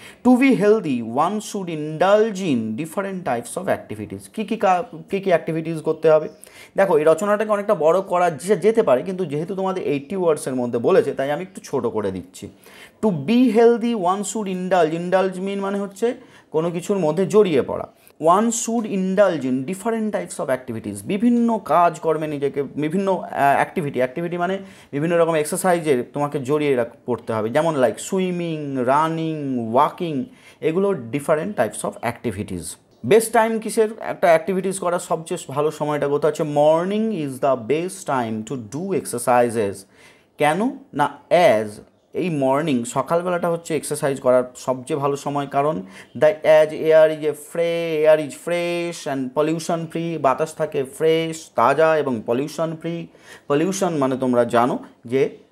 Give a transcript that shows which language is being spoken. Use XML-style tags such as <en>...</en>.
<en>to be healthy one should indulge in different types of activities,</en> <bn>key key activities করতে হবে। দেখো এই রচনাটাকে অনেকটা বড় করা যেতে পারে, কিন্তু যেহেতু তোমাদের 80 ওয়ার্ডসের মধ্যে বলেছে তাই আমি একটু ছোটো করে দিচ্ছি।</bn> <en>to be healthy one should indulge,</en> <bn>indulge মিন মানে হচ্ছে কোনো কিছুর মধ্যে জড়িয়ে পড়া।</bn> <en>One should indulge in different types of activities.</en> <bn>বিভিন্ন কাজ কর্মে নিজেকে, বিভিন্ন অ্যাক্টিভিটি, অ্যাক্টিভিটি মানে বিভিন্ন রকম এক্সারসাইজের তোমাকে জড়িয়ে পড়তে হবে, যেমন লাইক সুইমিং, রানিং, ওয়াকিং, এগুলো different types of activities. Best time কিসের একটা অ্যাক্টিভিটিস করার সবচেয়ে ভালো সময়টা কোথায় আছে,</bn> <en>morning is the best time to do exercises,</en> <bn>কেন না অ্যাজ এই মর্নিং সকালবেলাটা হচ্ছে এক্সারসাইজ করার সবচেয়ে ভালো সময়, কারণ the as air is a Fry,</bn> <en>air is fresh and pollution free,</en> <bn>বাতাস থাকে ফ্রেশ, তাজা এবং পলিউশন ফ্রি, পলিউশন মানে তোমরা জানো যে</bn>